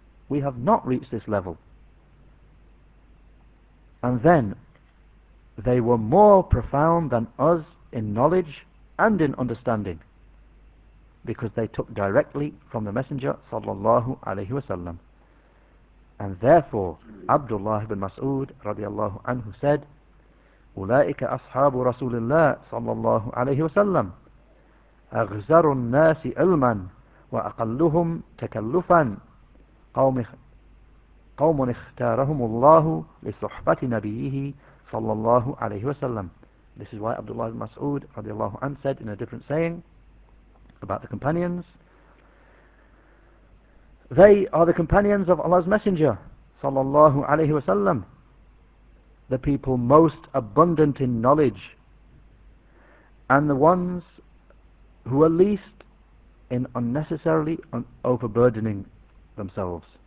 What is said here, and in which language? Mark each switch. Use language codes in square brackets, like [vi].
[en] We have not reached this level. And then, they were more profound than us in knowledge and in understanding, because they took directly from the Messenger sallallahu alaihi wasallam. And therefore, Abdullah ibn Mas'ud radiallahu anhu said, [ar] أُولَٰئِكَ أَصْحَابُ رَسُولِ اللَّهِ صَلَّى اللَّهُ عَلَيْهِ وَسَلَّمُ أغزر الناس علما وأقلهم تكلفا قوم اختارهم الله لصحبة نبيه صلى الله عليه وسلم. [en] This is why Abdullah ibn Mas'ud radiallahu anhu said in a different saying about the companions, they are the companions of Allah's Messenger صلى الله عليه وسلم, the people most abundant in knowledge, and the ones who are least in unnecessarily overburdening themselves.